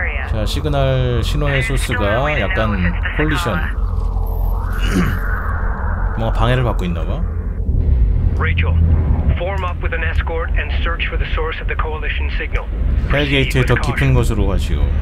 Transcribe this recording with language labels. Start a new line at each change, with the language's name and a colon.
Korean: 자, 시그널 신호의 소스가 약간 콜리션. 뭔가 방해를 받고 있나 봐.
English: Rachel, form up with an escort and search for the source of the coalition signal.
Korean: 헬게이트의 더 깊은 곳으로 가시오.